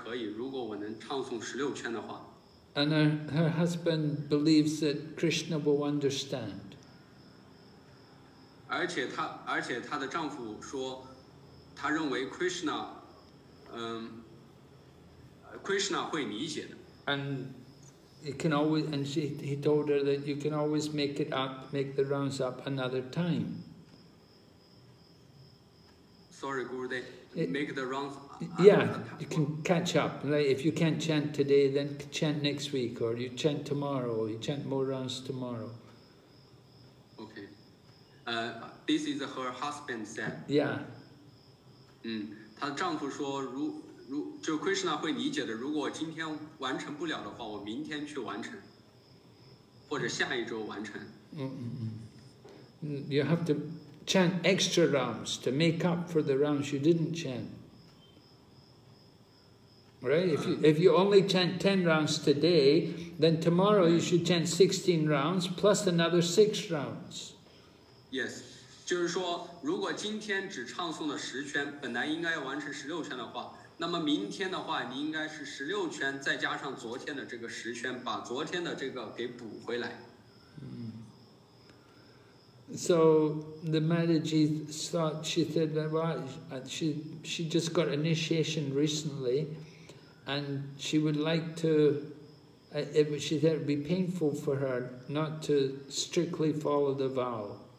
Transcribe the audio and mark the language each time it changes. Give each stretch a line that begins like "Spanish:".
Chinese: 这个问题是来自于亚修达，亚修达Krishna Mataji，他在过去的几天感觉到非常的痛苦，他的丈夫就说，是他的丈夫感觉到非常的痛苦，他的丈夫就说，如果是在我临死之前这样的话，我觉得还可以，如果我能唱诵16圈的话。
English: And her husband believes that Krishna will understand.
Chinese: 而且她的丈夫说， 他认为 Krishna, Krishna 会理解的。
English: And you can always, and she, he told her that you can always make it up, make the rounds up another time. Sorry, Gurudev, make the rounds up. Yeah, you can catch up. Like if you can't chant today, then chant next week, or you chant tomorrow, or you chant more rounds tomorrow. Okay. This is her husband said. Yeah.
Chinese: 她丈夫说，就 Krishna 会理解的。如果我今天完成不了的话，我明天去完成，或者下一周完成。嗯嗯嗯。
English: You have to chant extra rounds to make up for the rounds you didn't chant. Right? If you only chant 10 rounds today, then tomorrow you should chant 16 rounds plus another 6 rounds. Yes.
Chinese: 就是说，如果今天只唱诵了十圈，本来应该完成16圈的话，那么明天的话，你应该是16圈再加上昨天的这个十圈，把昨天的这个给补回来。
English: So the Mataji thought, she said that, well, she just got initiation recently, and she would like to, she said it would be painful for her not to strictly follow the vow.